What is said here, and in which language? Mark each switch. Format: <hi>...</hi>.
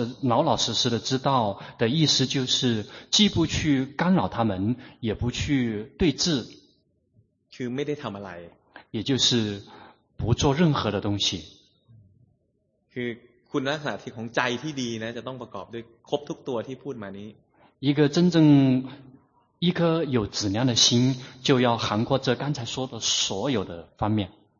<zh>老老实实的知道的意思就是既不去干扰他们也不去对峙</zh> <th>คือไม่ได้ทำอะไร</th> <zh>也就是不做任何的东西</zh> <th>คือคุณลักษณะที่ของใจที่ดีนะจะต้องประกอบด้วยครบทุกตัวที่พูดมานี้</th> <zh>一个真正一颗有质量的心就要涵括这刚才说的所有的方面</zh>